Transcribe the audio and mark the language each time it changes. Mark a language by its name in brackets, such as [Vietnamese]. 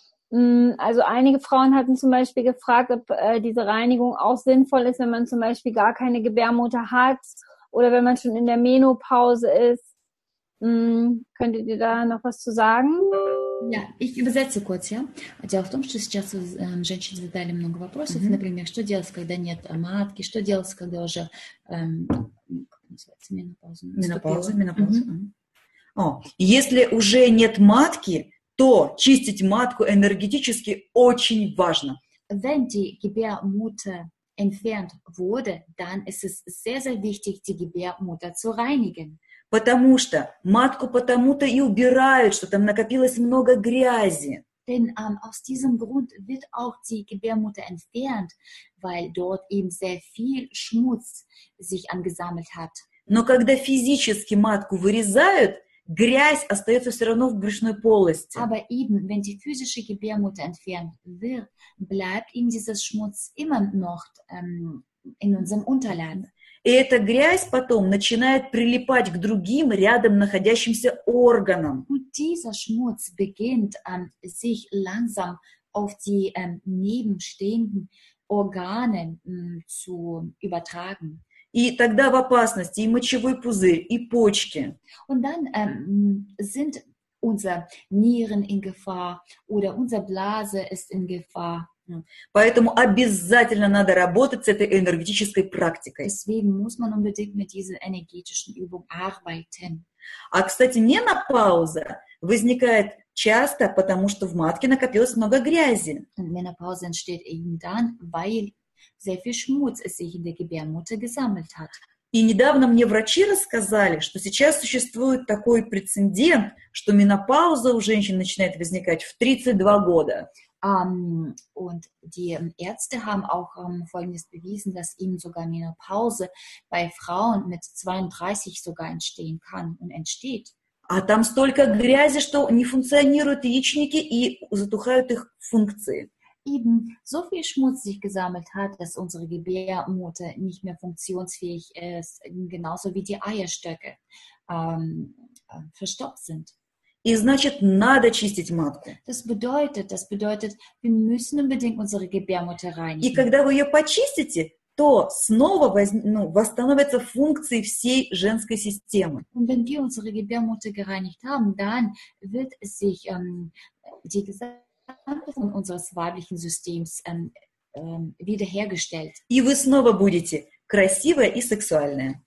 [German] Also einige Frauen hatten zum Beispiel gefragt, ob diese Reinigung auch sinnvoll ist, wenn man zum Beispiel gar keine Gebärmutter hat oder wenn man schon in der Menopause ist. Könntet ihr da noch was zu sagen? Ja, ich übersetze kurz, ja. [Russian] Дело в том, что сейчас женщины задали много вопросов. Mm-hmm. Например, что делать, когда нет матки? Что делать, когда уже как называется, менопауза. Mm-hmm. Если уже нет матки, то чистить матку энергетически очень важно. [German] Wenn die Gebärmutter entfernt wurde, dann ist es sehr, sehr wichtig, die Gebärmutter zu reinigen. [Russian] Потому что матку потому-то и убирают, что там накопилось много грязи. [German] Denn aus diesem Grund wird auch die Gebärmutter entfernt, weil dort eben sehr viel Schmutz sich angesammelt hat. [Russian] Но когда физически матку вырезают, грязь остается все равно в брюшной полости. [German] Aber eben, wenn die physische Gebärmutter entfernt wird, bleibt eben dieser Schmutz immer noch in unserem Unterleib. [Russian] И эта грязь потом начинает прилипать к другим рядом находящимся органам. [German] Dieser Schmutz beginnt sich langsam auf die nebenstehenden Organe zu übertragen. [Russian] И тогда в опасности и мочевой пузырь, и почки. [German] Und dann sind unsere Nieren in Gefahr oder unsere Blase ist in Gefahr. [Russian] Поэтому обязательно надо работать с этой энергетической практикой. [German] Deswegen muss man unbedingt mit dieser energetischen Übung arbeiten. [Russian] А, кстати, менопауза возникает часто, потому что в матке накопилось много грязи. [German] Und Menopause entsteht eben dann, weil sehr viel Schmutz sich in der Gebärmutter gesammelt hat. [Russian] И недавно мне врачи рассказали, что сейчас существует такой прецедент, что менопауза у женщин начинает возникать в 32 года. [German] Und die Ärzte haben auch Folgendes bewiesen, dass eben sogar Menopause bei Frauen mit 32 sogar entstehen kann und entsteht. [Russian] А там столько грязи, что не функционируют яичники и затухают их функции. [German] Eben so viel Schmutz sich gesammelt hat, dass unsere Gebärmutter nicht mehr funktionsfähig ist, genauso wie die Eierstöcke verstopft sind. [Russian] И значит, надо чистить матку. [German] Das bedeutet, wir müssen unbedingt unsere Gebärmutter reinigen. [Russian] И когда вы ее почистите, то снова восстановятся функции всей женской системы. [German] Und wenn wir unsere Gebärmutter gereinigt haben, dann wird sich die gesamte Anpassung unseres weiblichen Systems wiederhergestellt. [Russian] И вы снова будете красивая и сексуальная.